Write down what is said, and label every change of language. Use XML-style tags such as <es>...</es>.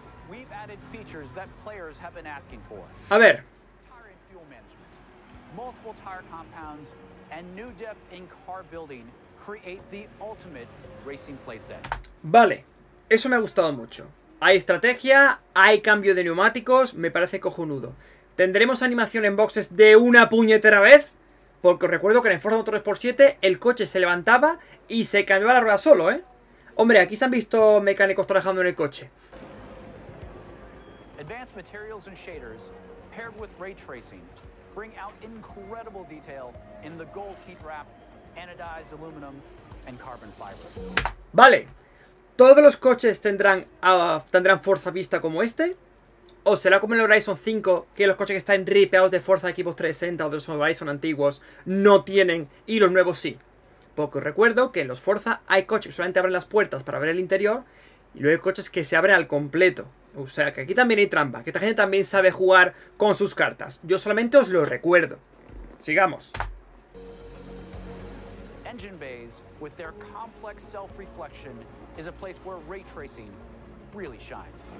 <en>We've added features that players have been asking for.</en> <es>A ver.</es> <en>Tire and fuel management, multiple tire compounds, and new depth in car building create the ultimate racing playset.</en> <es>Vale, eso me ha gustado mucho. Hay estrategia, hay cambio de neumáticos, me parece cojonudo. ¿Tendremos animación en boxes de una puñetera vez? Porque os recuerdo que en el Forza Motorsport 7 el coche se levantaba y se cambiaba la rueda solo, ¿eh? Hombre, aquí se han visto mecánicos trabajando en el coche.</es> <en>Advanced materials and shaders paired with ray tracing bring out incredible detail in the gold heat wrap, anodized aluminum and carbon fiber. Vale.</en> <es>¿Todos los coches tendrán Forza Vista como este? ¿O será como en el Horizon 5, que los coches que están ripeados de Forza de equipos 360 o de los Horizon antiguos no tienen y los nuevos sí? Porque os recuerdo que en los Forza hay coches que solamente abren las puertas para ver el interior y luego hay coches que se abren al completo. O sea, que aquí también hay trampa, que esta gente también sabe jugar con sus cartas. Yo solamente os lo recuerdo. Sigamos.</es> <en>Engine bays, with their complex self-reflection, is a place where ray tracing really shines.</en>